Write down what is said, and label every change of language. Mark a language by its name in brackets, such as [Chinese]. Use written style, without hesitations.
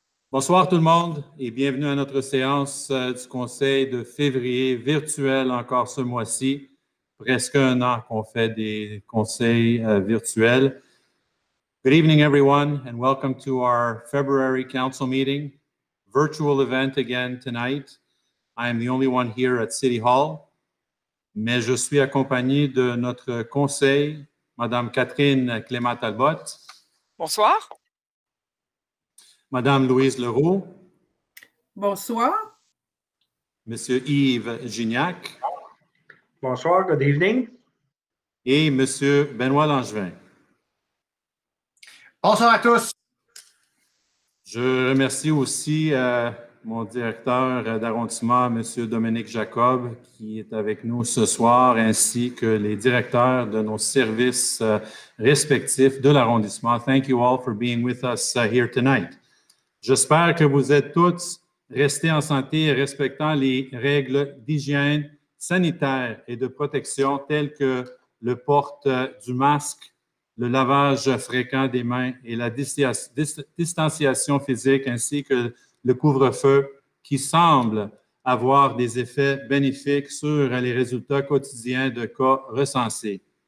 [French] Bonsoir tout le monde et bienvenue à notre séance du conseil de février virtuel encore ce mois-ci. Presque un an qu'on fait des conseils virtuels. [English] Good evening everyone and welcome to our February council meeting. Virtual event again tonight. I am the only one here at City Hall. [French] Mais je suis accompagné de notre conseil, Madame Catherine Clément-Talbot. Bonsoir. Madame Louise Leroux. Bonsoir. Monsieur Yves Gignac. Bonsoir, [English] good evening. [French] Et Monsieur Benoît Langevin. Bonsoir à tous. Je remercie aussi mon directeur d'arrondissement, Monsieur Dominique Jacob, qui est avec nous ce soir, ainsi que les directeurs de nos services respectifs de l'arrondissement. [English] Thank you all for being with us here tonight. [French] J'espère que vous êtes tous restés en santé et respectant les règles d'hygiène sanitaire et de protection telles que le port du masque, le lavage fréquent des mains et la distanciation physique ainsi que le couvre-feu qui semble avoir des effets bénéfiques sur les résultats quotidiens de cas recensés.